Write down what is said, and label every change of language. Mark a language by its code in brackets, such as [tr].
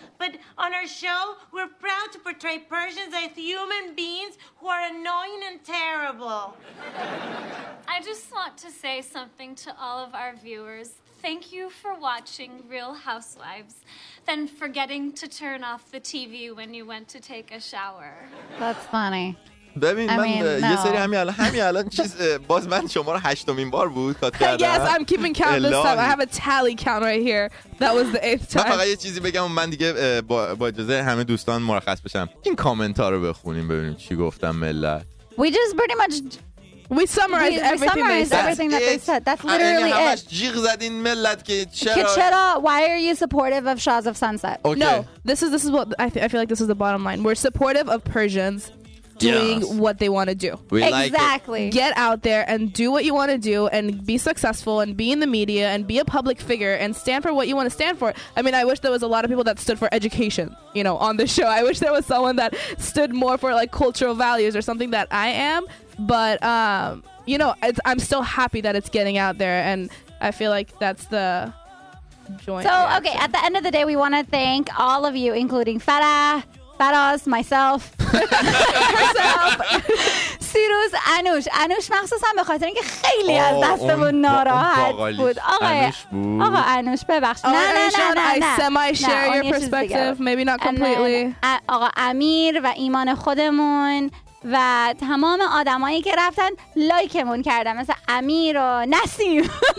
[en] But on our show, we're proud to portray Persians as human beings who are annoying and terrible. I just want to say something to all of our viewers. Thank you for watching Real Housewives, then forgetting to turn off the TV when you went to take a shower. That's funny. [fa] ببین من [en] no. [fa] یه سری همین الان چیز باز من شما رو هشتمین بار بود کات کردم. [en] Yes, I'm keeping count this time. I have a tally count right here. That was the eighth time. [fa] من فقط یه چیزی بگم و من دیگه با اجازه همه دوستان مرخص بشم. این کامنت ها رو بخونیم ببینیم چی گفتم ملت. [en] We just pretty much... We summarized everything that they said. That's literally it. Why are you supportive of Shahs of Sunset? Okay. No, this is what I feel like this is the bottom line. We're supportive of Persians doing what they want to do. Exactly. Get out there and do what you want to do and be successful and be in the media and be a public figure and stand for what you want to stand for. I mean, I wish there was a lot of people that stood for education, you know, on the show. I wish there was someone that stood more for like cultural values or something that I am. But, you know, I'm still happy that it's getting out there. And I feel like that's the joint. So, okay, at the end of the day, we want to thank all of you, including Farah, Faraz, myself, Cyrus, Anush. [fa] Anush, مخصوصاً به خاطر اینکه خیلی از دستمون ناراحت بود. آقا Anush, ببخش. [en] I semi-share your perspective, maybe not completely. [fa] آقا امیر و ایمان خودمون، و تمام آدمایی که رفتن لایکمون کردن، مثل امیر و نسیم،